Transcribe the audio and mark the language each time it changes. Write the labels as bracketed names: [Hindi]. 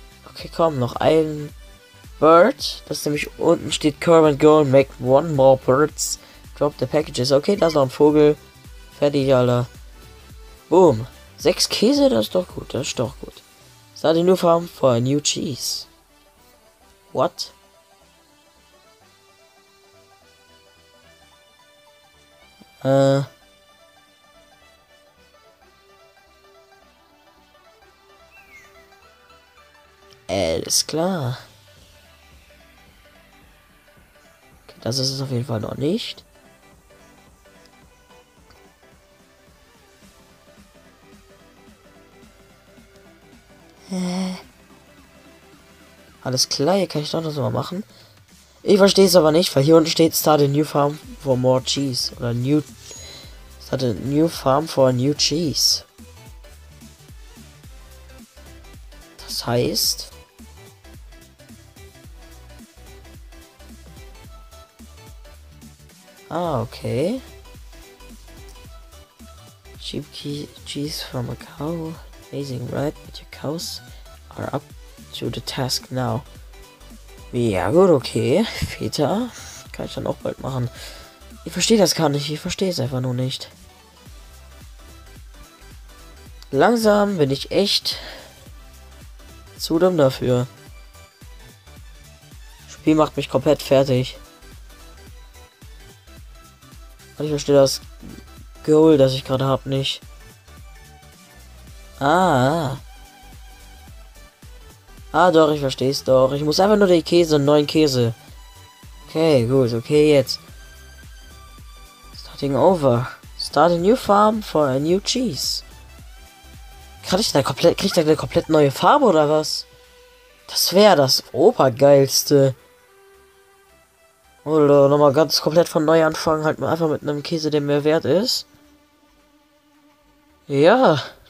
[German] Okay, komm, noch ein Bird. Das nämlich unten steht, [English] Curve and Go, make one more birds. Drop the packages. [German] Okay, da ist noch ein Vogel. Fertig, Alter. Boom. 6 Käse, das ist doch gut, das ist doch gut. [English] Start a new farm for a new cheese. What? [German] Alles klar. Okay, das ist es auf jeden Fall noch nicht. Alles klar, hier kann ich doch noch so mal machen. Ich verstehe es aber nicht, weil hier unten steht [English] Start a new farm for more cheese. [German] Oder new. [English] Start a new farm for a new cheese. [German] Das heißt. Ah, okay. [English] Cheap cheese from a cow. Amazing, right? But your cows are up to the task now. [German] Ja, gut, okay. Feta. Kann ich dann auch bald machen. Ich verstehe das gar nicht. Ich verstehe es einfach nur nicht. Langsam bin ich echt zu dumm dafür. Das Spiel macht mich komplett fertig. Ich verstehe das Goal, das ich gerade habe, nicht. Ah. Ah, doch, ich verstehe es doch. Ich muss einfach nur den Käse, 9 Käse. Okay, gut, okay, jetzt. [English] Starting over. Start a new farm for a new cheese. [German] Krieg ich da eine komplett neue Farbe oder was? Das wäre das Obergeilste. Oder nochmal ganz komplett von neu anfangen, halt mal einfach mit einem Käse, der mehr wert ist. Ja.